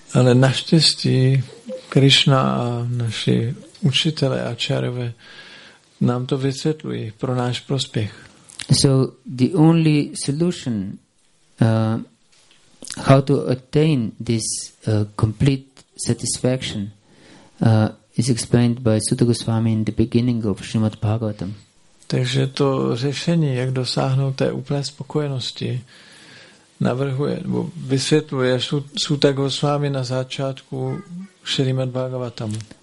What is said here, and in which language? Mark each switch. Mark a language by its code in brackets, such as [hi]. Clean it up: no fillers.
[cs] Ale naštěstí Krishna a naši učitelé acharyové nám to vysvětlují pro náš prospěch. [en] So the only solution how to attain this complete satisfaction is explained by Suta Goswami in the beginning of Srimad Bhagavatam. [cs] Takže to řešení, jak dosáhnout té úplné spokojenosti, navrhuje, nebo vysvětluje Suta Goswami na začátku Srimad Bhagavatam.